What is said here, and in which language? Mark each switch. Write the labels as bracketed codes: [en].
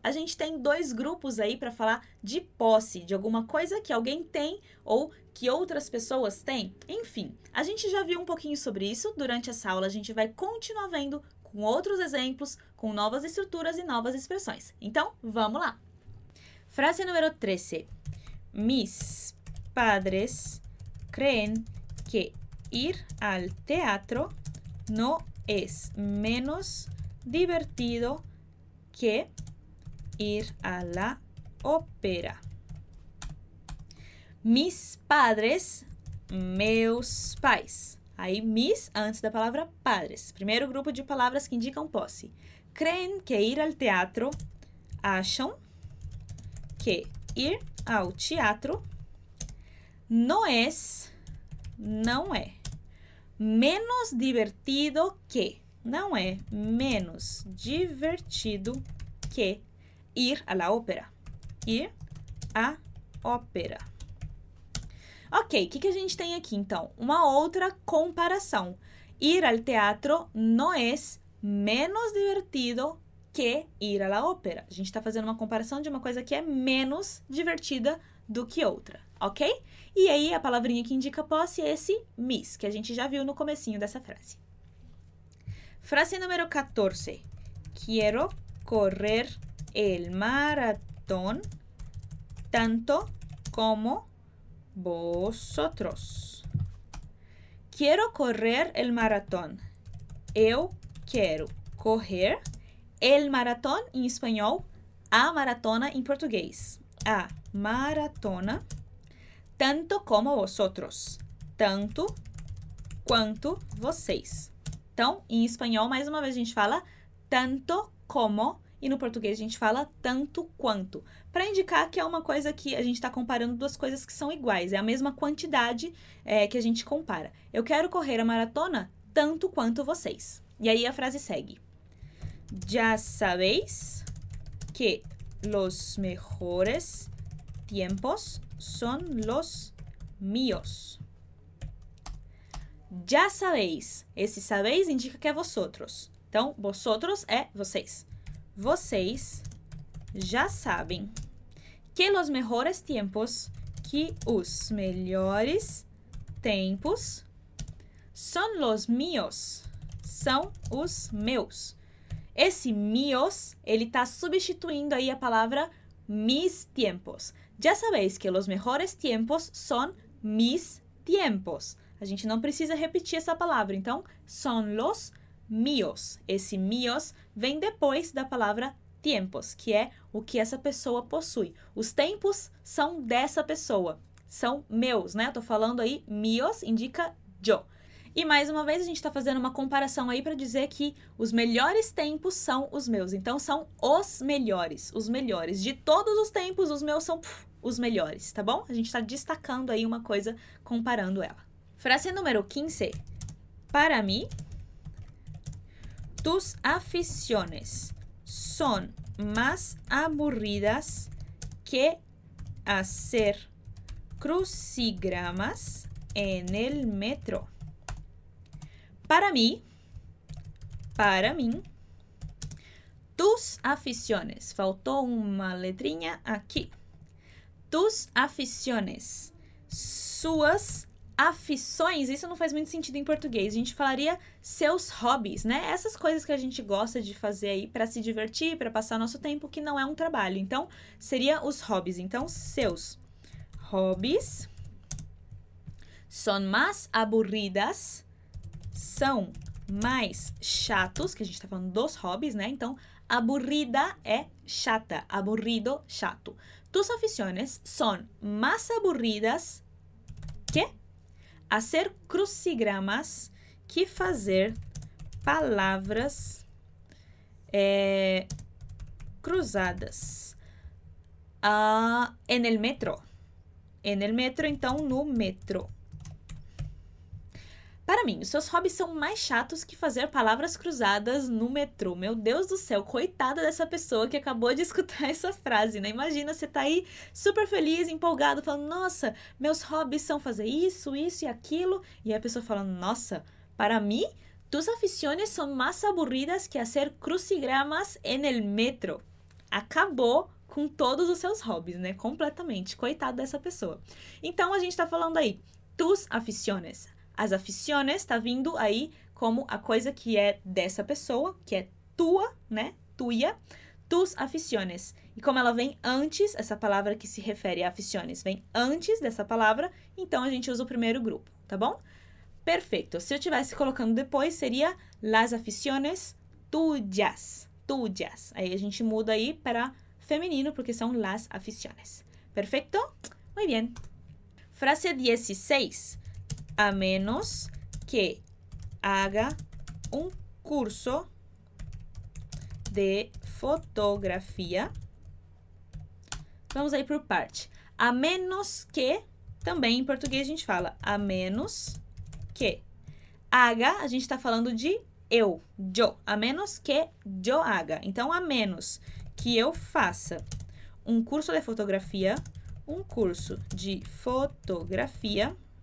[pt] A gente tem dois grupos aí para falar de posse, de alguma coisa que alguém tem ou que outras pessoas têm. Enfim, a gente já viu um pouquinho sobre isso durante essa aula, a gente vai continuar vendo com outros exemplos, com novas estruturas e novas expressões. Então, vamos lá! Frase número 13. [es] Mis padres creen que ir al teatro no es menos divertido que ir a la ópera. Mis padres, [pt] meus pais. Aí, mis, antes da palavra padres. Primeiro grupo de palavras que indicam posse. [es] Creem que ir al teatro, [pt] acham que ir ao teatro [es] no es, [pt] não é, menos divertido que, não é menos divertido que [es] ir à la ópera. [pt] Ir à ópera. Ok, o que, que a gente tem aqui, então? Uma outra comparação. [es] Ir al teatro no es menos divertido que ir à la ópera. [pt] A gente está fazendo uma comparação de uma coisa que é menos divertida do que outra, ok? E aí, a palavrinha que indica posse é esse mis, que a gente já viu no comecinho dessa frase. Frase número 14. [es] Quiero correr el maratón tanto como vosotros. Quiero correr el maratón. [pt] Eu quero correr el maratón em espanhol, a maratona em português. A maratona [es] tanto como vosotros. [pt] Tanto quanto vocês. Então, em espanhol, mais uma vez, a gente fala [es] tanto como. [pt] E no português a gente fala tanto quanto, para indicar que é uma coisa que a gente está comparando duas coisas que são iguais, é a mesma quantidade que a gente compara. Eu quero correr a maratona tanto quanto vocês. E aí a frase segue. [es] Já sabéis que los mejores tiempos son los míos. Já sabéis. [pt] Esse sabéis indica que é vosotros. Então, vosotros é vocês. Vocês já sabem que [es] los mejores tiempos, [pt] que os melhores tempos, [es] son los míos, [pt] são os meus. Esse míos, ele está substituindo aí a palavra [es] mis tiempos. Já sabéis que los mejores tiempos son mis tiempos. [pt] A gente não precisa repetir essa palavra, então, [es] son los míos. [pt] Esse míos vem depois da palavra tiempos, que é o que essa pessoa possui. Os tempos são dessa pessoa, são meus, né? Tô falando aí, míos indica yo. E mais uma vez, a gente tá fazendo uma comparação aí para dizer que os melhores tempos são os meus. Então, são os melhores de todos os tempos, os meus são os melhores, tá bom? A gente tá destacando aí uma coisa, comparando ela. Frase número 15. Para mim, [es] tus aficiones son más aburridas que hacer crucigramas en el metro. [pt] Para mim, [es] tus aficiones, [pt] faltou uma letrinha aqui. Tus aficiones, suas aficiões, isso não faz muito sentido em português. A gente falaria seus hobbies, né? Essas coisas que a gente gosta de fazer aí para se divertir, para passar nosso tempo, que não é um trabalho. Então, seria os hobbies. Então, seus hobbies [es] son más aburridas, [pt] são mais chatos, que a gente tá falando dos hobbies, né? Então, aburrida é chata, aburrido, chato. [es] Tus aficiones son más aburridas que hacer crucigramas, [pt] que fazer palavras cruzadas. [es] En el metro. En el metro, [pt] então, no metro. Para mim, os seus hobbies são mais chatos que fazer palavras cruzadas no metrô. Meu Deus do céu, coitada dessa pessoa que acabou de escutar essa frase, né? Imagina, você tá aí super feliz, empolgado, falando: nossa, meus hobbies são fazer isso, isso e aquilo. E aí a pessoa fala: nossa, para mim, [es] tus aficiones son más aburridas que hacer crucigramas en el metro. [pt] Acabou com todos os seus hobbies, né? Completamente. Coitado dessa pessoa. Então, a gente tá falando aí, [es] tus aficiones. [pt] As aficiones tá vindo aí como a coisa que é dessa pessoa, que é tua, né? Tuia. [es] Tus aficiones. [pt] E como ela vem antes, essa palavra que se refere a aficiones, vem antes dessa palavra, então a gente usa o primeiro grupo, tá bom? Perfeito. Se eu tivesse colocando depois, seria [es] las aficiones tuyas. [pt] Tuyas. Aí a gente muda aí para feminino, porque são [es] las aficiones. [pt] Perfeito? [es] Muy bien. [pt] Frase 16. [es] A menos que haga un curso de fotografía. [pt] Vamos aí por parte. A menos que, também em português a gente fala, a menos que. Haga, a gente está falando de eu, yo. [es] A menos que yo haga. [pt] Então, a menos que eu faça um curso de fotografía, um curso de fotografía.